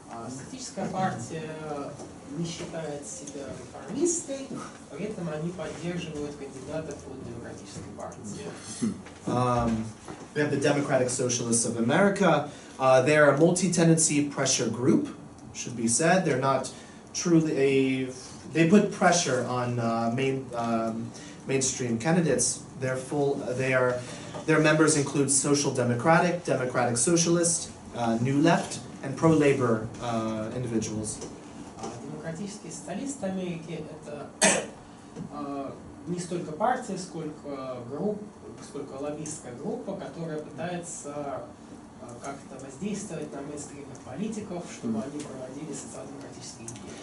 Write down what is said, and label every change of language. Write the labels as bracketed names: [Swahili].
[Russian] Статическая партия не считает себя реформистской, при этом они поддерживают кандидатов от демократической партии. [English] We have the Democratic Socialists of America. They're a multi-tendency pressure group, should be said. They're not truly a... They put pressure on mainstream candidates. They're full. They are. Their members include social democratic, democratic socialist, new left, and pro labor individuals. [Russian] Демократический социалист Америки — это не столько партия, сколько лоббистская группа, которая пытается как-то воздействовать на мейнстримных политиков, чтобы они проводили социал-демократические идеи.